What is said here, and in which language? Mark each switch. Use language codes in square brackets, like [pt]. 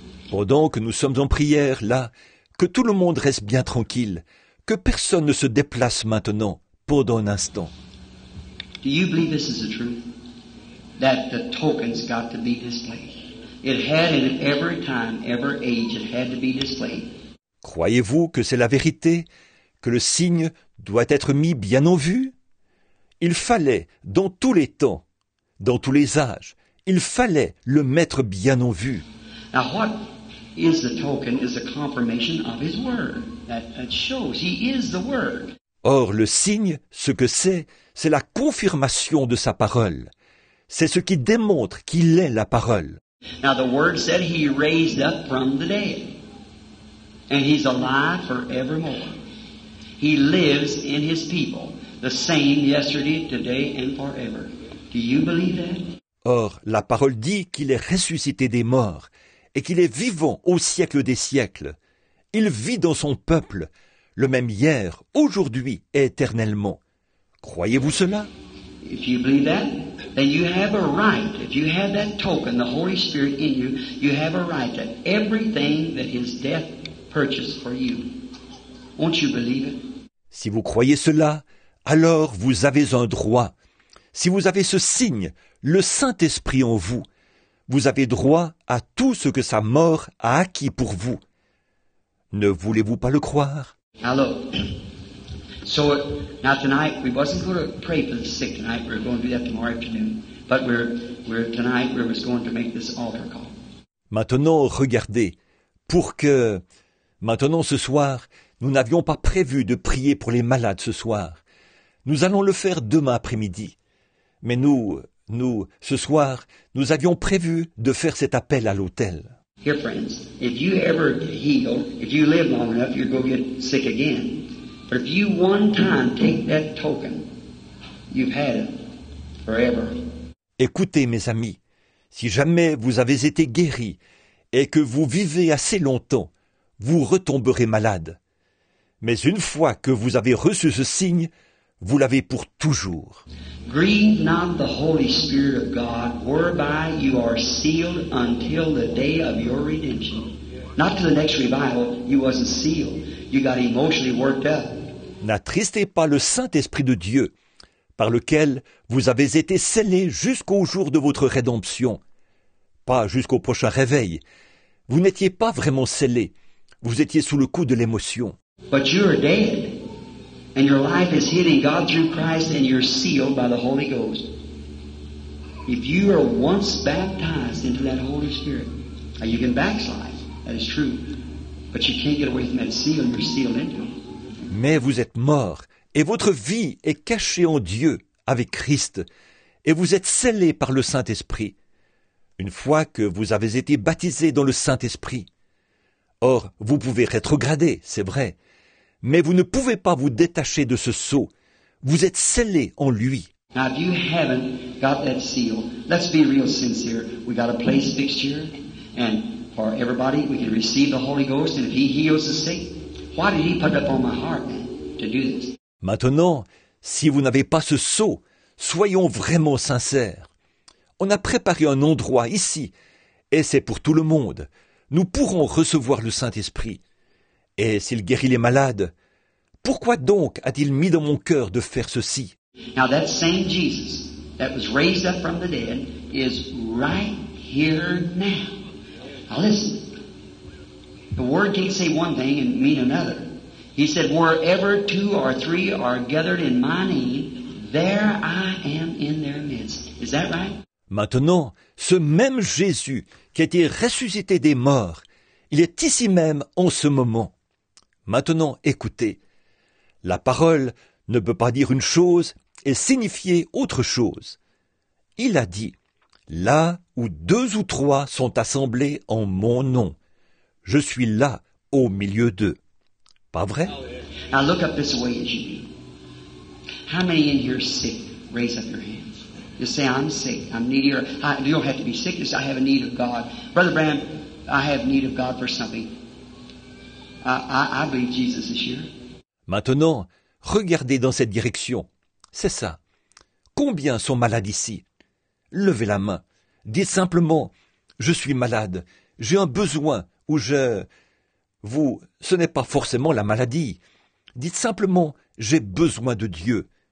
[fr] Pendant que nous sommes en prière, là, que tout le monde reste bien tranquille, que personne ne se déplace maintenant, pendant un instant. [en] Do you believe this is the truth? That the token's got to be displayed. It had in every time, every age, it had to be displayed. [fr] Croyez-vous que c'est la vérité, que le signe doit être mis bien en vue? Il fallait, dans tous les temps, dans tous les âges, il fallait le mettre bien en vue. [en] Now what is the token is a confirmation of his word. That shows he is the word. [fr] Or, le signe, ce que c'est la confirmation de sa parole. C'est ce qui démontre qu'il est la parole. [en] Now the word said he raised up from the dead. And he's alive forevermore. He lives in his people, the same yesterday, today and forever. Do you believe that? [fr] Or, la parole dit qu'il est ressuscité des morts et qu'il est vivant au siècle des siècles. Il vit dans son peuple, le même hier, aujourd'hui et éternellement. Croyez-vous cela? [en] If you believe that, then you have a right. If you have that token, the Holy Spirit in you, you have a right to everything that his death purchased for you. Won't you believe it? [fr] Si vous croyez cela, alors vous avez un droit. Si vous avez ce signe, le Saint-Esprit en vous, vous avez droit à tout ce que sa mort a acquis pour vous. Ne voulez-vous pas le croire? [en] Alors, so now tonight we wasn't going to pray for the sick tonight. We're going to do that tomorrow afternoon. But we're tonight we're just going to make this altar call. [fr] Maintenant, regardez, pour que maintenant ce soir, nous n'avions pas prévu de prier pour les malades ce soir. Nous allons le faire demain après-midi. Mais nous, ce soir, nous avions prévu de faire cet appel à l'autel. [en] Here, friends, if you ever heal, if you live long enough, you're going to get sick again. But if you one time take that token, you've had it forever. [fr] Écoutez, mes amis, si jamais vous avez été guéri et que vous vivez assez longtemps, vous retomberez malade. Mais une fois que vous avez reçu ce signe, vous l'avez pour toujours. [en] Grieve not the Holy Spirit of God, whereby you are sealed until the day of your redemption. Not to the next revival, you wasn't sealed. You got emotionally worked up. [fr] N'attristez pas le Saint-Esprit de Dieu, par lequel vous avez été scellé jusqu'au jour de votre rédemption. Pas jusqu'au prochain réveil. Vous n'étiez pas vraiment scellé. Vous étiez sous le coup de l'émotion. [en] But you are dead. And your life is hidden God through Christ and you're sealed by the Holy Ghost. If you are once baptized into that Holy Spirit, now you can backslide, that is true, but you can't get away from that seal and you're sealed into it. [fr] Mais vous êtes mort et votre vie est cachée en Dieu avec Christ et vous êtes scellé par le Saint-Esprit. Une fois que vous avez été baptisé dans le Saint-Esprit, or vous pouvez rétrograder, c'est vrai, mais vous ne pouvez pas vous détacher de ce sceau. Vous êtes scellé en lui. [en] Now, if you haven't got that seal, let's be real sincere. We got a place fixed here, and for everybody, we can receive the Holy Ghost, and if he heals the sick, why did he put up on my heart then, to do this? [fr] Maintenant, si vous n'avez pas ce sceau, soyons vraiment sincères. On a préparé un endroit ici, et c'est pour tout le monde. Nous pourrons recevoir le Saint-Esprit. Et s'il guérit les malades, pourquoi donc a-t-il mis dans mon cœur de faire ceci? [en] Now that same Jesus that was raised up from the dead is right here now. Now listen, the word can't say one thing and mean another. He said, wherever two or three are gathered in my name, there I am in their midst. Is that right? [fr] Maintenant, ce même Jésus qui a été ressuscité des morts, il est ici même en ce moment. Maintenant, écoutez, la parole ne peut pas dire une chose et signifier autre chose. Il a dit, « Là où deux ou trois sont assemblés en mon nom, je suis là au milieu d'eux. » Pas vrai? [en] Now look up this way at you. How many in here sick? Raise up your hands. You say, I'm sick, I'm needy. You don't have to be sick, just I have a need of God. Brother Bram, I have need of God for something. I believe Jesus is here. [fr] Maintenant, regardez dans cette direction. C'est ça. Combien sont malades ici? Levez la main. Dites simplement, je suis malade, j'ai un besoin, ou je... Vous, ce n'est pas forcément la maladie. Dites simplement, j'ai besoin de Dieu.